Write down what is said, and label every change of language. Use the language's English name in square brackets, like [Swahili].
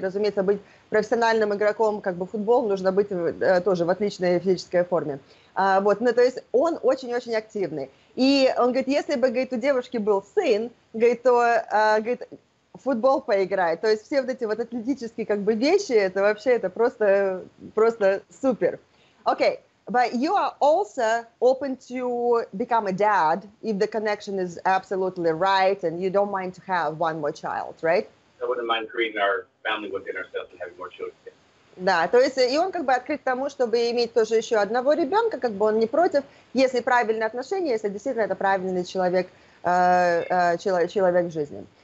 [Russian] Разумеется, быть профессиональным игроком, как бы футбол, нужно быть тоже в отличной физической форме. Вот, ну, то есть он очень-очень активный. И он говорит, если бы, говорит, у девушки был сын, говорит, то, говорит, футбол поиграет. То есть все вот эти вот атлетические, как бы, вещи, это вообще, это просто, просто супер. Окей. [English] But you are also open to become a dad if the connection is absolutely right and you don't mind to have one more child, right? I wouldn't mind creating our family within ourselves and having more children. [Russian] Да, то есть и он как бы открыт к тому, чтобы иметь тоже еще одного ребенка, как бы он не против, если правильные отношения, если действительно это правильный человек, человек в жизни.